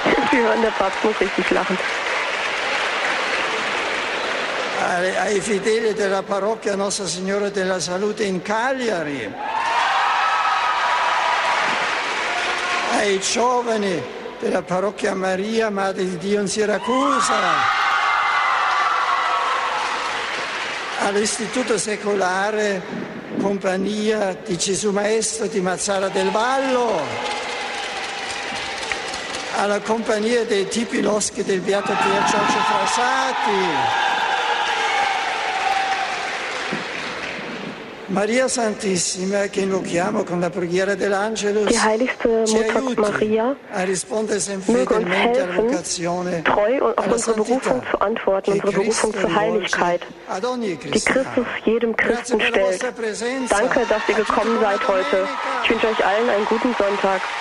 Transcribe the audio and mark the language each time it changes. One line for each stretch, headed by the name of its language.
German: Sie hören, der Papst muss richtig lachen.
Italian: Ai fedeli della parrocchia Nostra Signora della Salute in Cagliari, ai giovani della parrocchia Maria Madre di Dio in Siracusa, all'Istituto Secolare Compagnia di Gesù Maestro di Mazzara del Vallo, alla Compagnia dei Tipi Loschi del Beato Pier Giorgio Frassati. Maria Santissima, che invochiamo con la preghiera dell'Angelus,
German: die heiligste Mutter Maria, möge uns helfen, treu und auf unsere Berufung zu antworten, unsere Berufung zur Heiligkeit, die Christus jedem Christen stellt. Danke, dass ihr gekommen seid heute. Ich wünsche euch allen einen guten Sonntag.